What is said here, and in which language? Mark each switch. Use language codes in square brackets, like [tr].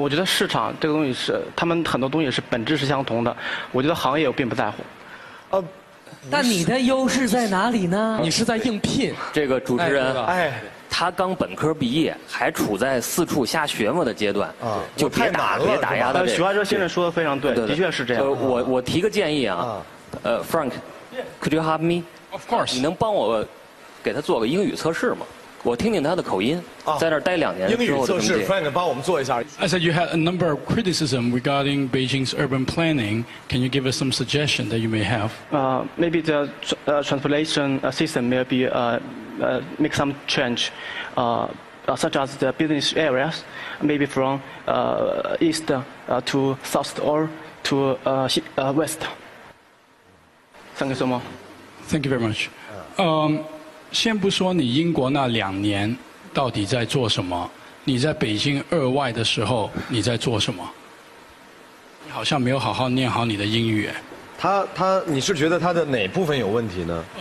[zh] 我觉得市场这个东西是，他们很多东西是本质是相同的。我觉得行业我并不在乎。但你的优势在哪里呢？你是在应聘。这个主持人，他刚本科毕业，还处在四处瞎学磨的阶段，就别打了，别打压他。徐华哲先生说的非常 对，的确是这样。我提个建议啊，Frank， [en] could you help me？ Of course。 [zh] 你能帮我给他做个英语测试吗？我听听他的口音。在那儿待2年。英语测试 ，Frank， 帮我们做一下。 [en] I said you had a number of criticism regarding Beijing's urban planning. Can you give us some suggestion that you may have？ Maybe the translation system may be make some change, such as the business areas, maybe from east to south or to west. Thank you so much. Thank you very much. [zh] 先不说你英国那2年到底在做什么，你在北京二外的时候你在做什么？你好像没有好好念好你的英语。他，你是觉得他的哪部分有问题呢？